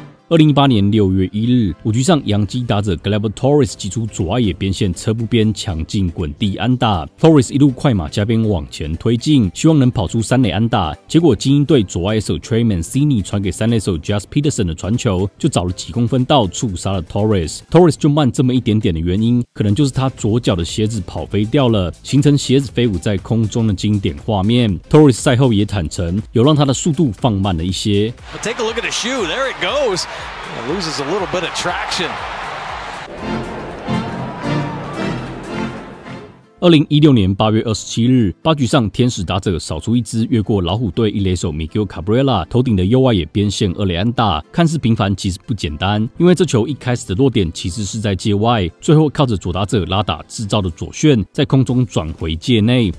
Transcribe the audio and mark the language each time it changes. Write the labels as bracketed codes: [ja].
[zh] 2018年6月1日，五局上洋基打者 Gleyber Torres 击出左外野边线侧部边强劲滚地安打， Torres 一路快马加鞭往前推进，希望能跑出三垒安打，结果精英队左外野手 Trey Mancini 传给三垒手 Jazz Peterson 的传球就找了几公分道触杀了 Torres。 Torres 就慢这么一点点的原因，可能就是他左脚的鞋子跑飞掉了，形成鞋子飞舞在空中的经典画面。 Torres 赛后也坦承有让他的速度放慢了一些。 [en] Take a look at the shoe, there it goes. It loses a little bit of traction. [zh] 2016年8月27日，八局上天使打者扫出一支越过老虎队一垒手 Miguel Cabrera 头顶的右外野边线二垒安打，看似平凡其实不简单，因为这球一开始的落点其实是在界外，最后靠着左打者拉打制造的左旋在空中转回界内。